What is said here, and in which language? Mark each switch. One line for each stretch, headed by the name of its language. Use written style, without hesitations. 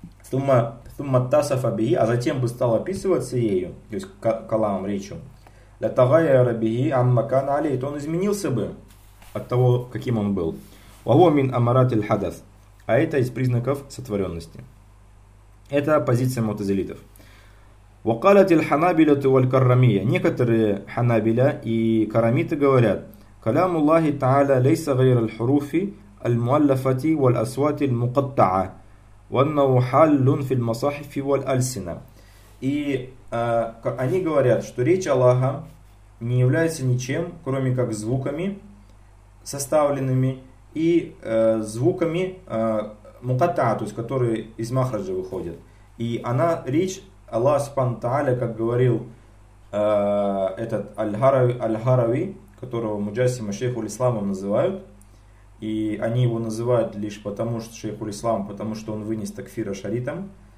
Arabic: Тумма тасафа бихи,
Russian: а затем бы стал описываться ею, то есть калам, речью.
Arabic: Ля тагая рабихи амма кана алей,
Russian: то он изменился бы от того, каким он был.
Arabic: Ваху мин амарат иль хадас.
Russian: А это из признаков сотворенности. Это позиция мутазилитов.
Arabic: وقالت الحنابلة والكرامية.
Russian: Некоторые ханабиля и карамиты говорят:
Arabic: كلام الله تعالى ليس غير الحروف المؤلفة والأصوات المقطعة وأنه حال في المصاحف والألسنة.
Russian: И они говорят, что речь Аллаха не является ничем, кроме как звуками, составленными, и звуками мукатта, то есть которые из махраджа выходят. И она речь Аллах субхана тааля, как говорил этот Аль-Харави, которого Муджасима шейху ль-Исламом называют, и они его называют лишь потому, что шейху ль-Ислам, потому что он вынес такфир ашаритам,